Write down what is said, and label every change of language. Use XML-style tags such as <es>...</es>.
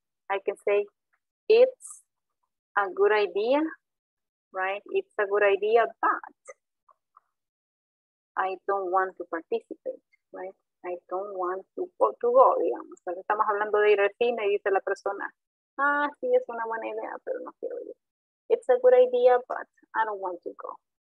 <en>I can say, it's a good idea, right? It's a good idea, but I don't want to participate, right? I don't want to go,</en> <es>digamos. Entonces estamos hablando de ir al cine y dice la persona, ah, sí, es una buena idea, pero no quiero ir.</es> <en>It's a good idea, but I don't want to go.</en>